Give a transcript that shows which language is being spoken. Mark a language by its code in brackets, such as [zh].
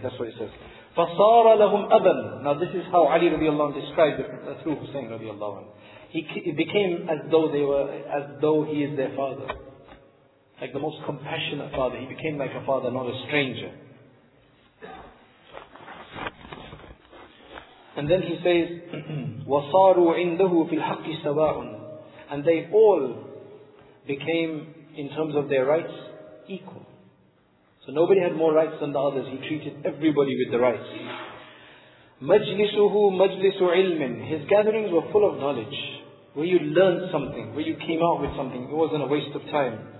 [en] That's what it says. [ar] فَصَارَ لَهُمْ أَبًا. [en] Now this is how Ali رضي الله عنه described it through Hussein رضي الله عنه. He became as though they were, as though he is their father. Like the most compassionate father. He became like a father, not a stranger. And then he says, [ar] وَصَارُوا عِنْدَهُ فِي الْحَقِّ سَوَاءٌ. [en] And they all became, in terms of their rights, equal. So nobody had more rights than the others. He treated everybody with the rights. [ar] مَجْلِسُهُ مَجْلِسُ عِلْمٍ. [en] His gatherings were full of knowledge. Where you learned something, where you came out with something, it wasn't a waste of time.